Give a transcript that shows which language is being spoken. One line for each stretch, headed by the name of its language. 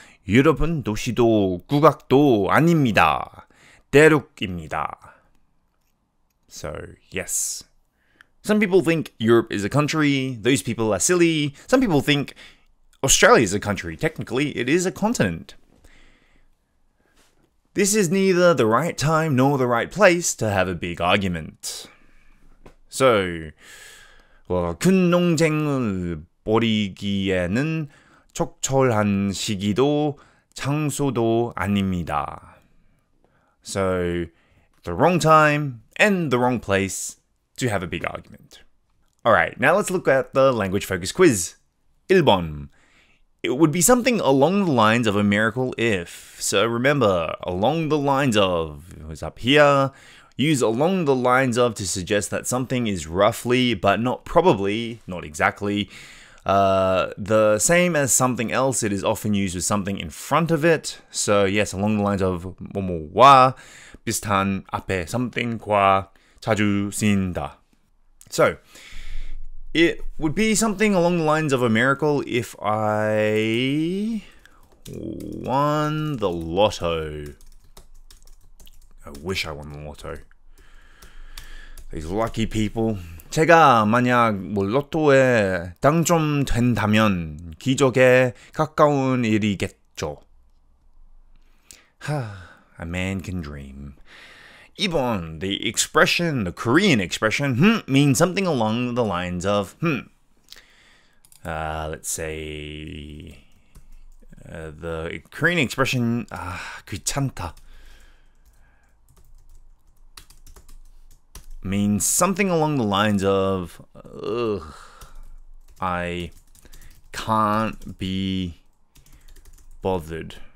Korean: 유럽은 도시도 국악도 아닙니다. 대륙입니다.
English: So, yes. Some people think Europe is a country, those people are silly, some people think Australia is a country. Technically, it is a continent. This is neither the right time nor the right place to have a big argument. So,
Korean: 큰 논쟁을 벌이기에는 적절한 시기도 장소도 아닙니다.
English: So, the wrong time and the wrong place to have a big argument. Alright, now let's look at the language focus quiz.
Korean: 1번.
English: It would be something along the lines of a miracle if. So remember, along the lines of, it was up here. Use along the lines of to suggest that something is roughly, but not probably, not exactly, the same as something else. It is often used with something in front of it. So yes, along the lines of
Korean: 뭐뭐와 비슷한 앞에 something과 자주 쓰인다.
English: So, it would be something along the lines of a miracle if I won the lotto. I wish I won the lotto. These lucky people.
Korean: 제가 만약 뭐 로또에 당첨된다면 기적에 가까운 일이겠죠.
English: A man can dream. 2번, the expression, the Korean expression, means something along the lines of, let's say, the Korean expression, 귀찮다, means something along the lines of, I can't be bothered.